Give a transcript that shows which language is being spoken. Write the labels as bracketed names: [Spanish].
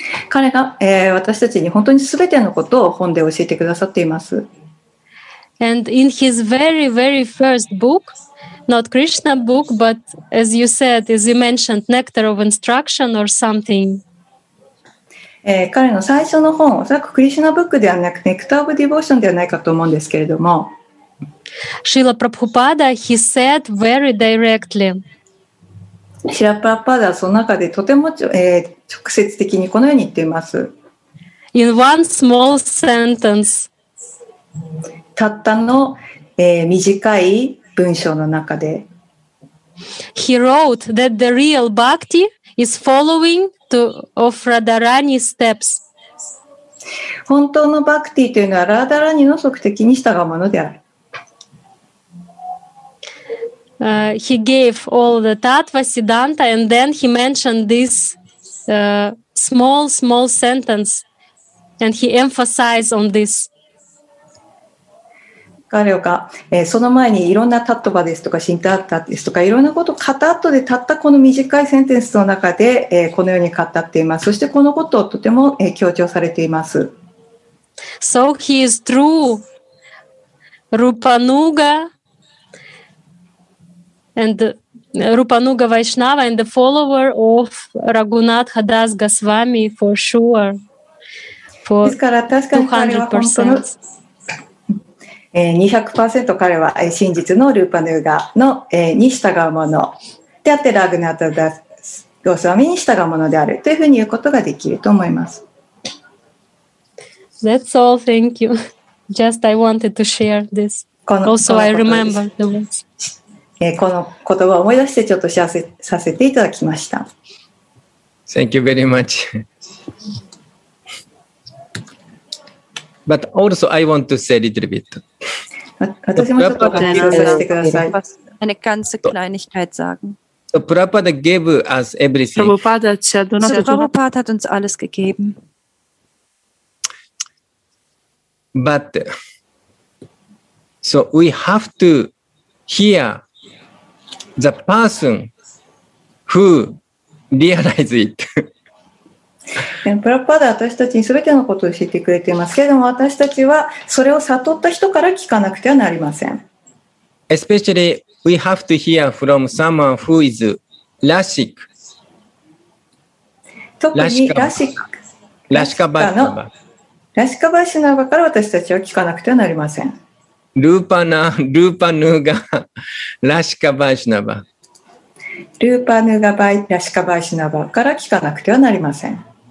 [Japanese] 彼が、私たちに本当にすべてのことを本で教えてくださっています。 [English] And in his very, very first book, not Krishna book, but as you said, as you mentioned, Nectar of Instruction or something. [Japanese] 彼の最初の本、おそらくクリシュナブックではなく、Nectar of Devotion ではないかと思うんですけれども、 [English] Srila Prabhupada, he said very directly. [Japanese] Srila Prabhupada, その中でとても直接的にこのように言っています。 [English] In one small sentence. [Japanese] たったの、短い文章の中で。 [English] He wrote that the real bhakti is following to, of Radharani's steps. [Japanese] 本当のバクティというのはラダラニの足跡に従うものである。 [English] He gave all the tattva siddhanta and then he mentioned this small sentence and he emphasized on this. [Japanese] 彼が、その前にいろんなタットバですとかシンタッタですとかいろんなことを片後でたったこの短いセンテンスの中で、このように語っています。そしてこのことをとても、強調されています。 [English] So he is true Rupanuga and Rupanuga Vaishnava and the follower of Raghunatha Das Goswami for sure, for 200%. [Japanese] 彼は真実のルーパヌーガの、に従うものであってラグナタダスゴスワミに従うものであるというふうに言うことができると思います。 [English] That's all, thank you. Just I wanted to share this. Also I remember the words. [Japanese] この言葉を思い出してちょっとシェアさせていただきました。 [English] Thank you very much. But also I want to say a little bit. [Japanese] 私もちょっとアピールさせてください。 [German] Eine ganze Kleinigkeit sagen. [English] So Prabhupada gave us everything. [German] Prabhupada hat uns alles gegeben. [English] But so we have to hear. The person who realizes it. [Japanese] プラッパーで私たちに全てのことを教えてくれていますけれども、私たちはそれを悟った人から聞かなくてはなりません。 [English] Especially, we have to hear from someone who is Rashik. [Japanese] 特にラシカバーシナバから私たちは聞かなくてはなりません。ルーパヌーガラシカバーシナバ。ルーパヌーガバイラシカバーシナバから聞かなくてはなりません。